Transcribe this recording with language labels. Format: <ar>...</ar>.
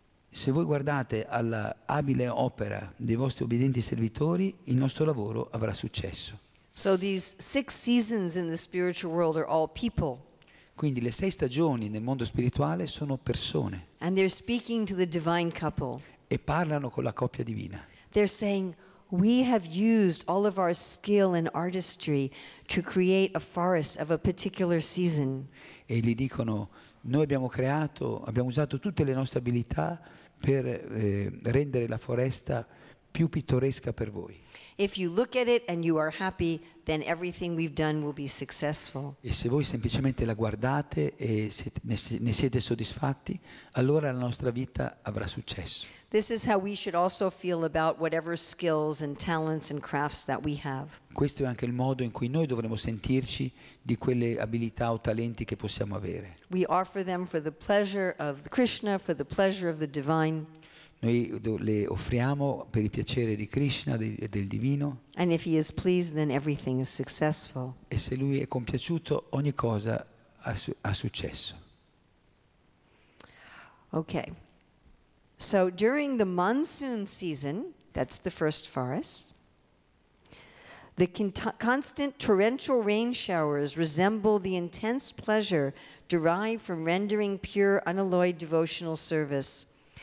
<it>Se voi guardate all'abile opera dei vostri obbedienti servitori, il nostro lavoro avrà successo.</it> <en>So these six seasons in the spiritual world are all people.</en> <it>Quindi le sei stagioni nel mondo spirituale sono persone.</it> <en>And they're speaking to the divine couple.</en> <it>E parlano con la coppia divina.</it> <en>They're saying, We have used all of our skill and artistry to create a forest of a particular season.</en> <it>E gli dicono, noi abbiamo usato tutte le nostre abilità per rendere la foresta più pittoresca per voi.</it> <en>If you look at it and you are happy, then everything we've done will be successful.</en> <it>E se voi semplicemente la guardate e ne siete soddisfatti, allora la nostra vita avrà successo.</it> <en>This is how we should also feel about whatever skills and talents and crafts that we have.</en> <it>Questo è anche il modo in cui noi dovremmo sentirci di quelle abilità o talenti che possiamo avere.</it> <en>We offer them for the pleasure of Krishna, for the pleasure of the divine.</en> <it>Noi le offriamo per il piacere di Krishna e del divino.</it> <en>And if he is pleased, then everything is successful.</en> <it>E se lui è compiaciuto, ogni cosa ha successo.</it> <en>Okay. So during the monsoon season, that's the first forest, the constant torrential rain showers resemble the intense pleasure derived from rendering pure, unalloyed devotional service.</en>